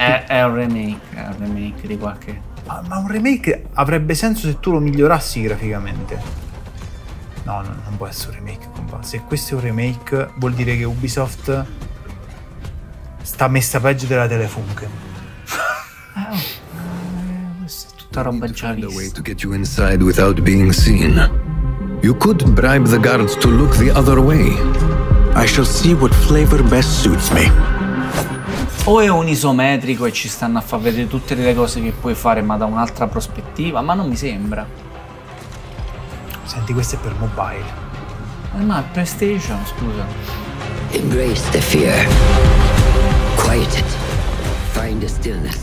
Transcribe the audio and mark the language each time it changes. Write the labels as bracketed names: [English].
[Italian] È un remake di qualche. Ma un remake avrebbe senso se tu lo migliorassi graficamente. No, non può essere un remake, compa. Se questo è un remake, vuol dire che Ubisoft sta messa peggio della Telefunken. È tutta roba già vista. [English] Way to get you inside without being seen. You could bribe the guards to look the other way. I shall see what flavor best suits me. [Italian] O è un isometrico e ci stanno a far vedere tutte le cose che puoi fare, ma da un'altra prospettiva, ma non mi sembra. Senti, questo è per mobile. Ma PlayStation, scusa. [English] Embrace the fear. Quiet it. Find the stillness.